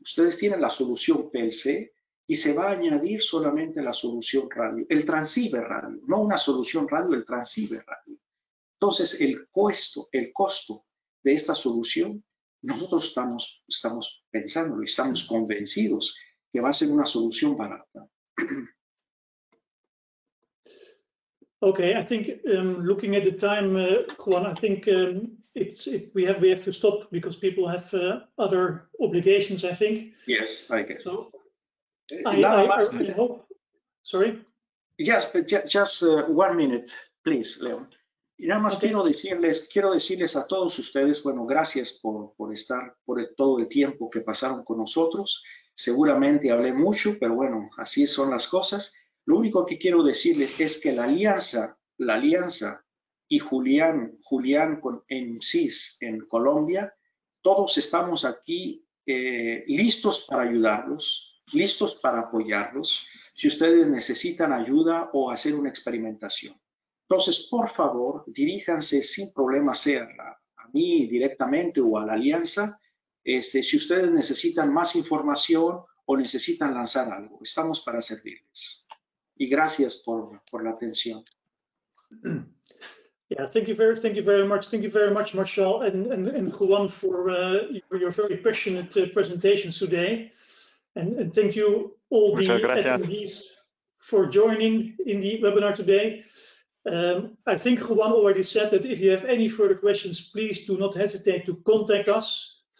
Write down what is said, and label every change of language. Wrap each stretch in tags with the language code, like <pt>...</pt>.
<es>Ustedes tienen la solución PLC y se va a añadir solamente la solución radio, el transceiver radio, no una solución radio, el transceiver radio. Entonces, el costo de esta solución, nosotros estamos pensándolo, estamos convencidos que va a ser una solución barata.</es> <en>Okay, I think looking at the time, Juan, I think we have to stop because people have other obligations, I think. Yes, I guess. So, I hope. Yes, but just 1 minute, please, Leon.</en> <es>Y nada más okay. quiero decirles a todos ustedes, bueno, gracias por estar, por todo el tiempo que pasaron con nosotros. Seguramente hablé mucho, pero bueno, así son las cosas. Lo único que quiero decirles es que la alianza y Julián con EMCIS en Colombia, todos estamos aquí listos para ayudarlos, listos para apoyarlos si ustedes necesitan ayuda o hacer una experimentación. Entonces, por favor, diríjanse sin problema a mí directamente o a la alianza, si ustedes necesitan más información o necesitan lanzar algo. Estamos para servirles. Y gracias por la atención.</es> <en>Yeah, thank you very much, Marshall and Juan for your very passionate presentations today. And thank you all the attendees for joining in the webinar today. I think Juan already said that if you have any further questions, please do not hesitate to contact us.</en>